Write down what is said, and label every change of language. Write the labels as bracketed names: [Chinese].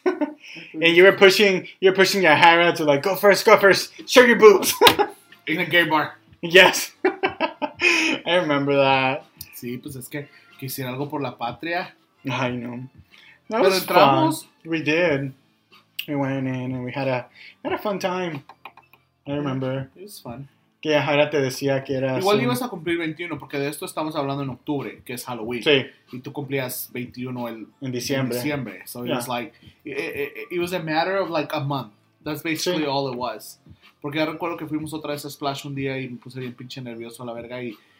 [English] And you were pushing your hair out to like, go first, show your boobs. In a gay bar. Yes. I remember that. [Spanish] Sí, pues es que quisiera algo por la patria. [English] I know. That was [Spanish] entramos. [English] Fun. We did. We went in and we had a fun time. I remember. It was fun. [Spanish] Que Yahaira te decía que eras... Igual ibas a cumplir 21, porque de esto estamos hablando en octubre, que es Halloween. Sí. Y tú cumplías 21 en diciembre. En diciembre. [English] So yeah. It was like, it was a matter of like a month. That's basically all it was. [Spanish] Porque ya recuerdo que fuimos otra vez a Splash un día y me puse bien pinche nervioso a la verga y...